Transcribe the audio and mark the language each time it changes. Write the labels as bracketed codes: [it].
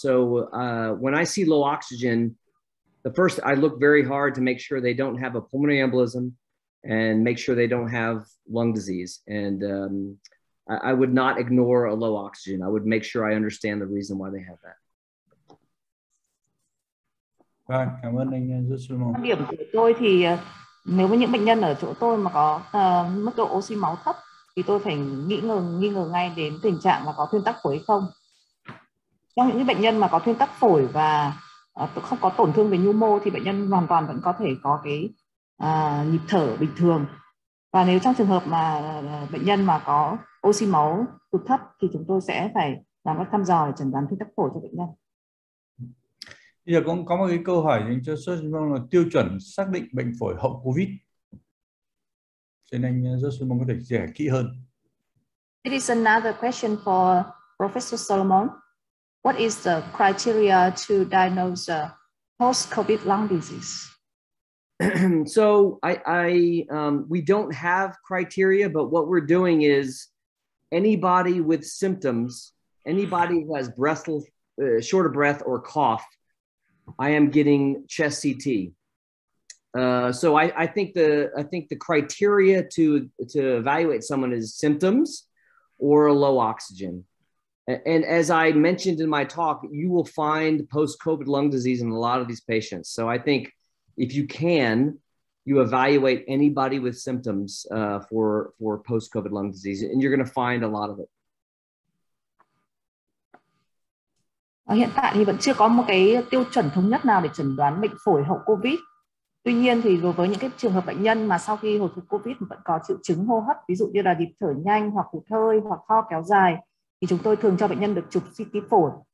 [en] So when I see low oxygen, the first, I look very hard to make sure they don't have a pulmonary embolism and make sure they don't have lung disease. And I would not ignore a low oxygen. I would make sure I understand the reason why they have that. [vi] Vâng, cảm ơn anh rất sâu mong. Quan điểm của tôi thì nếu như những bệnh nhân ở chỗ tôi mà có mức độ oxy máu thấp thì tôi phải nghi ngờ ngay đến tình trạng là có thuyên tắc phổi không. Trong những bệnh nhân mà có thuyên tắc phổi và không có tổn thương về nhu mô thì bệnh nhân hoàn toàn vẫn có thể có cái nhịp thở bình thường. Và nếu trong trường hợp mà bệnh nhân mà có oxy máu tụt thấp thì chúng tôi sẽ phải làm các thăm dò để chẩn đoán thuyên tắc phổi cho bệnh nhân. Bây giờ cũng có một cái câu hỏi dành cho Sơn là tiêu chuẩn xác định bệnh phổi hậu COVID. Cho nên anh Sơn có thể chia sẻ kỹ hơn. [en] It is another question for Professor Solomon. What is the criteria to diagnose post-COVID lung disease? So we don't have criteria, but what we're doing is anybody with symptoms, anybody who has breathless, short of breath or cough, I am getting chest CT. So I think the criteria to evaluate someone is symptoms or a low oxygen. And as I mentioned in my talk, you will find post-COVID lung disease in a lot of these patients. So I think if you can, you evaluate anybody with symptoms for post-COVID lung disease, and you're going to find a lot of it. [vi] Hiện tại thì vẫn chưa có một cái tiêu chuẩn thống nhất nào để chẩn đoán bệnh phổi hậu COVID. Tuy nhiên thì đối với những cái trường hợp bệnh nhân mà sau khi hồi phục COVID vẫn có triệu chứng hô hấp, ví dụ như là nhịp thở nhanh hoặc hụt hơi hoặc ho kéo dài, thì chúng tôi thường cho bệnh nhân được chụp CT phổi.